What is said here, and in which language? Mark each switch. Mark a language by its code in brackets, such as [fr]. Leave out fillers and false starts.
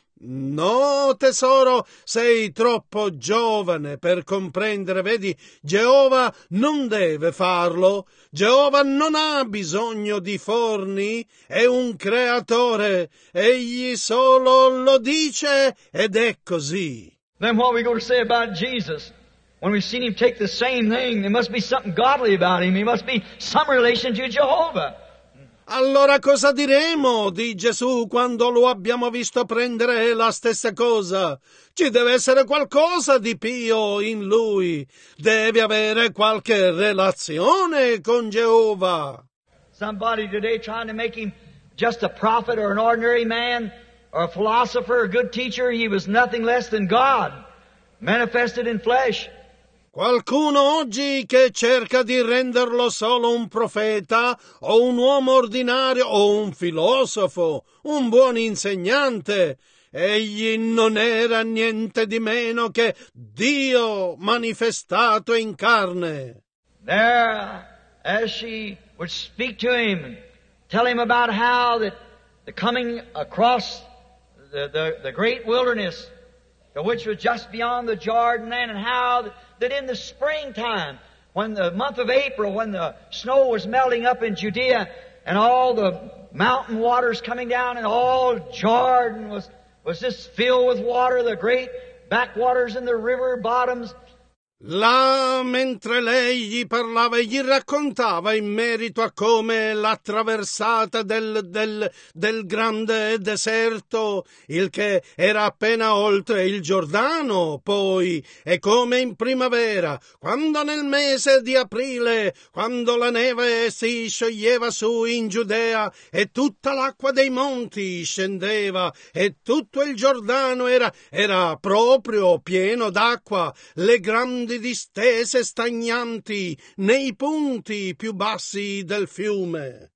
[it] No, tesoro, sei troppo giovane per comprendere, vedi, Geova non deve farlo. Geova non ha bisogno di forni, è un creatore. Egli solo lo dice ed è così. [en] Then what are we going to say about Jesus? When we've seen him take the same thing, there must be something godly about him. He must be some relation to Jehovah. [it] Allora cosa diremo di Gesù quando lo abbiamo visto prendere la stessa cosa? Ci deve essere qualcosa di pio in lui. Deve avere qualche relazione con Geova. [en] Somebody today trying to make him just a prophet or an ordinary man or a philosopher or a good teacher. He was nothing less than God, manifested in flesh. [it] Qualcuno oggi che cerca di renderlo solo un profeta, o un uomo ordinario, o un filosofo, un buon insegnante. Egli non era niente di meno che Dio manifestato in carne. [en] There, as she would speak to him, tell him about how that the coming across the great wilderness, which was just beyond the Jordan, and how that in the springtime, when the month of April, when the snow was melting up in Judea, and all the mountain waters coming down, and all Jordan was just filled with water, the great backwaters in the river bottoms. [it] Là, mentre lei gli parlava e gli raccontava in merito a come l'attraversata del grande deserto, il che era appena oltre il Giordano, poi, e come in primavera, quando nel mese di aprile, quando la neve si scioglieva su in Giudea e tutta l'acqua dei monti scendeva e tutto il Giordano era proprio pieno d'acqua, le grandi distese stagnanti nei punti più bassi del fiume.